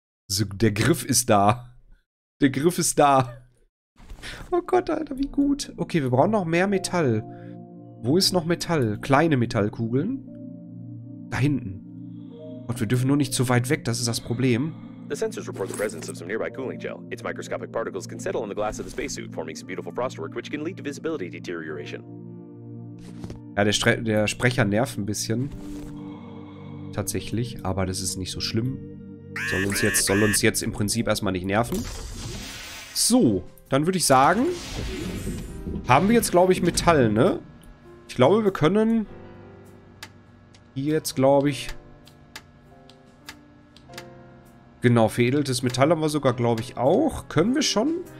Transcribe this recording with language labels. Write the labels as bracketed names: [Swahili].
[German] So, der Griff ist da. Der Griff ist da. Oh Gott, Alter, wie gut. Okay, wir brauchen noch mehr Metall. Wo ist noch Metall? Kleine Metallkugeln? Da hinten. Und wir dürfen nur nicht zu weit weg, das ist das Problem. [English] The sensors report the presence of some nearby cooling gel. Its microscopic particles can settle in the glass of the spacesuit, forming some beautiful frostwork, which can lead to visibility deterioration. [German] Ja, der Sprecher nervt ein bisschen. Tatsächlich, aber das ist nicht so schlimm. Soll uns jetzt im Prinzip erstmal nicht nerven. So, dann würde ich sagen, haben wir jetzt, glaube ich, Metall, ne? Ich glaube, wir können hier jetzt, glaube ich, genau, veredeltes Metall haben wir sogar, glaube ich, auch. Können wir schon?